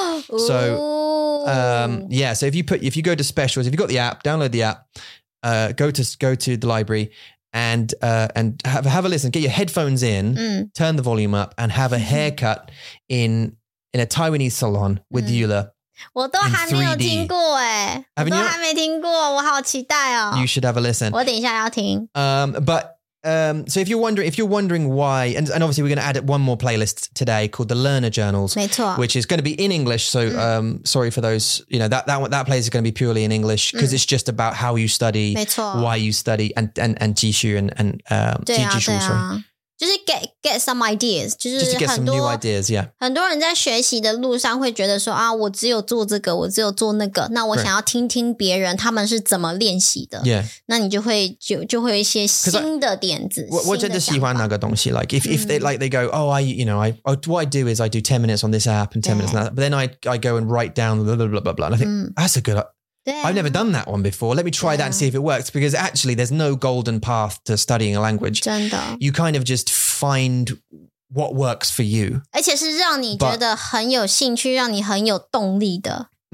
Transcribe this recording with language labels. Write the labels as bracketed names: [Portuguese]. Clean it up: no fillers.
[English] So, so if you go to Specials, if you've got the app, download the app, go to the library and have a listen, get your headphones in, turn the volume up and have a haircut in a Taiwanese salon with Yula. [Chinese] 我都还没有听过诶、欸、我都还没听过我好期待哦 [English] You should have a listen [Chinese] 我等一下要听 [English] So if you're wondering why, and obviously we're going to add one more playlist today called the Learner Journals, which is going to be in English. So, sorry for those, you know, that place is going to be purely in English because it's just about how you study, why you study and 继续 and 继续 书 [Chinese] 什么。就是 [English] get some ideas, [Chinese] 就是 [English] just to get some new ideas, yeah. [Chinese] 很多人在学习的路上会觉得说啊我只有做这个我只有做那个那我想要听听别人他们是怎么练习的。 [English] Yeah. [Chinese] 那你就会有一些新的点子。我真的喜欢那个东西 [English] like, if they, like they go, oh, what I do is I do 10 minutes on this app and 10 minutes on that, but then I go and write down blah, blah, blah, blah, blah, and I think, that's a good, I've never done that one before. Let me try that and see if it works because actually there's no golden path to studying a language. [Chinese] 真的。 [English] You kind of just find what works for you. [Chinese] 而且是让你觉得很有兴趣,让你很有动力的。